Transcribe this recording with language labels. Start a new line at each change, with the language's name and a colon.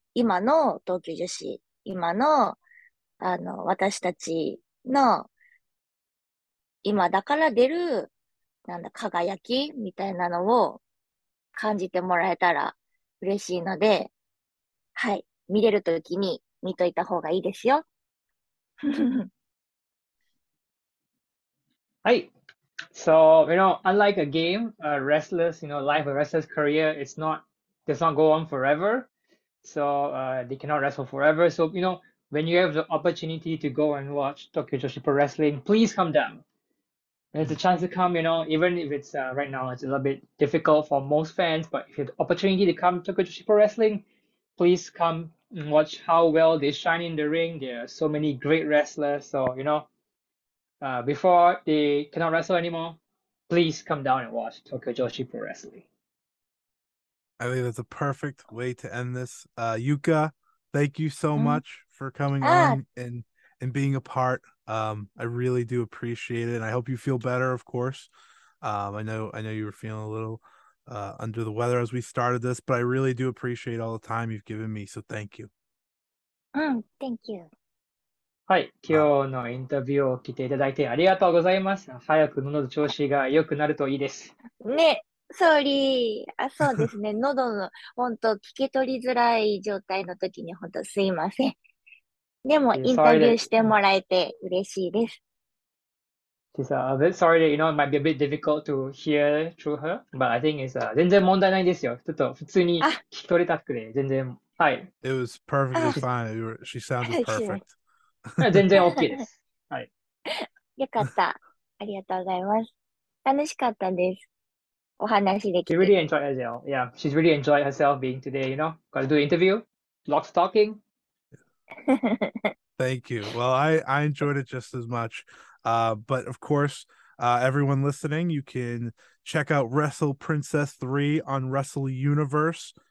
Japanese: 今の東京女子、今の、あの、私たちの、今だから出る、なんだ、輝きみたいなのを感じてもらえたら嬉しいので、はい。見れるときに見といた方がいいですよ。
English: Hi. So, you know, unlike a game, a wrestler's, you know, life, a wrestler's career, it's not, does not go on forever. So, they cannot wrestle forever. So, you know, when you have the opportunity to go and watch Tokyo Joshi Pro Wrestling, please come down. There's a chance to come, you know, even if it's right now it's a little bit difficult for most fans, but if you have the opportunity to come to Tokyo Joshi Pro Wrestling, please come and watch how well they shine in the ring. There are so many great wrestlers, so you know, before they cannot wrestle anymore, please come down and watch Tokyo Joshi Pro Wrestling. I think that's a perfect way to end this. Yuka, thank you so much for coming on and being a part. I really do appreciate it, and I hope you feel better, of course. I know you were feeling a little under the weather as we started this, but I really do appreciate all the time you've given me, so thank you. Thank you.
Japanese: はい、今日のインタビューを聞いていただいてありがとうございます。早く喉の調子が良くなるといいです。ね、ソーリー。あ、そうですね。喉の本当聞き取りづらい状態の時に本当すいません。でもインタビューしてもらえて嬉しいです。
English: She's a bit sorry that, you know, it might be a bit difficult to hear through her, but I think it's
Japanese: 全然問題ないですよ。ちょっと普通に聞き取れたくて全然、はい。
English: It was perfectly fine. She sounded perfect.
Japanese: 全然 OK です。はい。よかった。ありがとうございます。楽しかったです。お話できて。
English: She really enjoyed herself. Yeah, she's really enjoyed herself being today, you know? Got to do an interview. Lots of talking. Thank you. Well, I enjoyed it just as much. But of course, everyone listening, you can check out Wrestle Princess 3 on Wrestle Universe.